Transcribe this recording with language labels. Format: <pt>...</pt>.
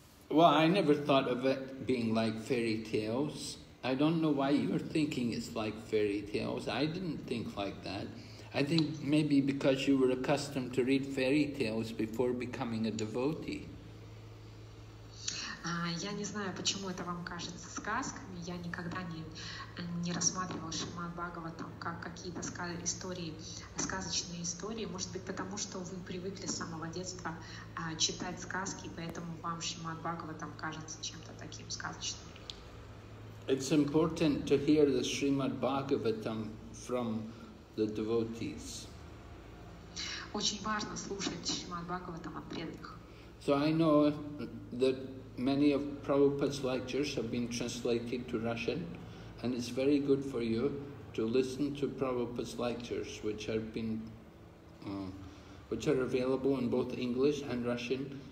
<en>Well, I never thought of it being like fairy tales. I don't know why you're thinking it's like fairy tales. I didn't think like that. I think maybe because you were accustomed to read fairy tales before becoming a devotee.</en> <ru>Я не знаю, почему это вам кажется сказками. Я никогда не рассматривал Шримад Бхагаватам как какие-то сказочные истории. Может быть, потому что вы привыкли с самого детства читать сказки, поэтому вам Шримад Бхагаватам кажется чем-то таким сказочным.</ru> <en>It's important to hear the Srimad Bhagavatam from the devotees.</en> <ru>Очень важно слушать Шримад Бхагаватам от преданных.</ru> <en>So I know that many of Prabhupada's lectures have been translated to Russian, and it's very good for you to listen to Prabhupada's lectures, which are available in both English and Russian.</en>